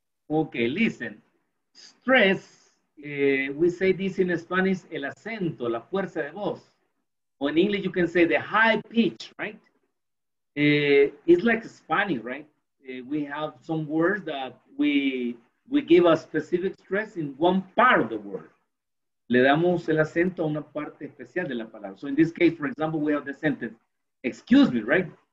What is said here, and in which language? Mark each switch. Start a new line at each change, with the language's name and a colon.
English: Okay, listen. Stress, we say this in Spanish,
Spanish: el acento, la fuerza de voz.
English: Or in English, you can say the high pitch, right? It's like Spanish, right? We have some words that we give a specific stress in one part of the word.
Spanish: Le damos el acento a una parte especial de la palabra.
English: So in this case, for example, we have the sentence, excuse me, right?